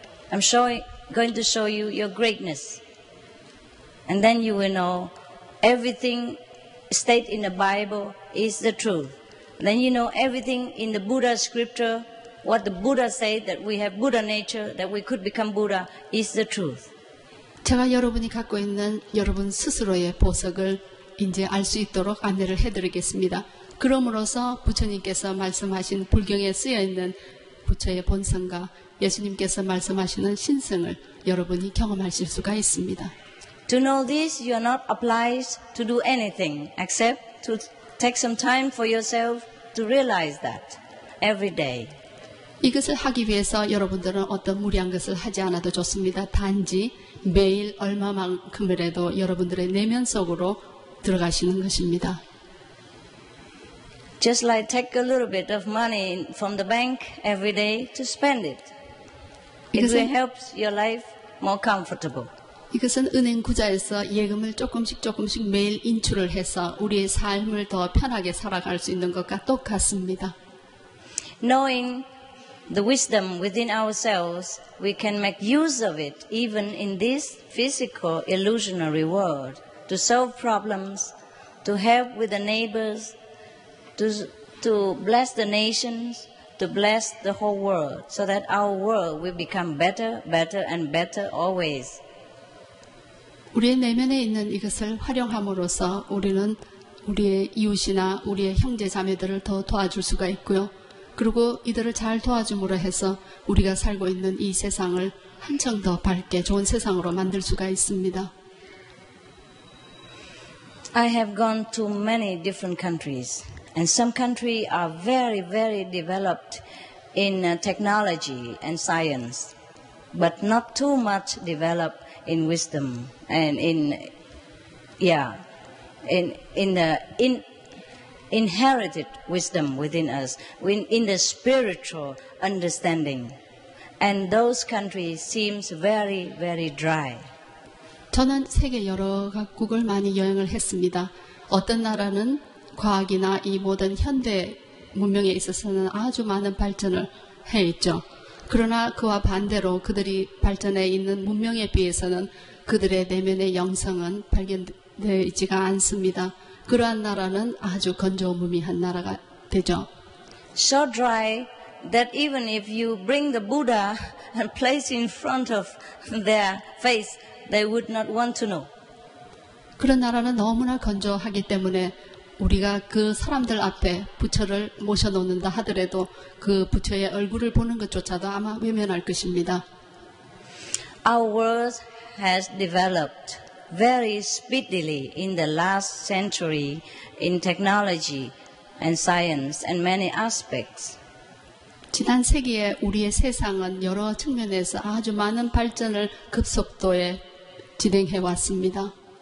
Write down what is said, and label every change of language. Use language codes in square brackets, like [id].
[en] I'm going to show you your greatness. And then you will know everything stated in the Bible is the truth. And then you know everything in the Buddha scripture, what the Buddha said that we have Buddha nature, that we could become Buddha, is the truth. [ko] 제가 여러분이 갖고 있는 여러분 스스로의 보석을 이제 알 수 있도록 안내를 해드리겠습니다. 그러므로서 부처님께서 말씀하신 불경에 쓰여 있는 부처의 본성과 예수님께서 말씀하시는 신성을 여러분이 경험하실 수가 있습니다. [en] To know this, you are not obliged to do anything except to take some time for yourself to realize that every day. [ko] 이것을 하기 위해서 여러분들은 어떤 무리한 것을 하지 않아도 좋습니다. 단지 매일 얼마만큼이라도 여러분들의 내면 속으로 들어가시는 것입니다. [en] Just like take a little bit of money from the bank every day to spend it. It will help your life more comfortable. [ko] 이것은 은행 구좌에서 예금을 조금씩 조금씩 매일 인출을 해서 우리의 삶을 더 편하게 살아갈 수 있는 것과 똑같습니다. [en] Knowing the wisdom within ourselves, we can make use of it even in this physical illusionary world to solve problems, to help with the neighbors, to bless the nations, to bless the whole world, so that our world will become better, better and better always. [ko] 우리의 내면에 있는 이것을 활용함으로써 우리는 우리의 이웃이나 우리의 형제 자매들을 더 도와줄 수가 있고요. 그리고 이들을 잘 도와줌으로 해서 우리가 살고 있는 이 세상을 한층 더 밝게 좋은 세상으로 만들 수가 있습니다. [en] I have gone to many different countries and some countries are very very developed in technology and science but not too much developed in wisdom and inherited wisdom within us, in the spiritual understanding. And those countries seem very, very dry. [ko] 저는 세계 여러 각국을 많이 여행을 했습니다. 어떤 나라는 과학이나 이 모든 현대 문명에 있어서는 아주 많은 발전을 해있죠. 그러나 그와 반대로 그들이 발전해 있는 문명에 비해서는 그들의 내면의 영성은 발견되어 있지가 않습니다. 그러한 나라는 아주 건조무미한 나라가 되죠. [en] So dry that even if you bring the Buddha and place in front of their face, they would not want to know. [ko] 그런 나라는 너무나 건조하기 때문에 우리가 그 사람들 앞에 부처를 모셔놓는다 하더라도 그 부처의 얼굴을 보는 것조차도 아마 외면할 것입니다. [en] Our world has developed very speedily in the last century in technology and science and many aspects. [ko] 지난 세기에 우리의 세상은 여러 측면에서 아주 많은 발전을 급속도에 진행해 왔습니다.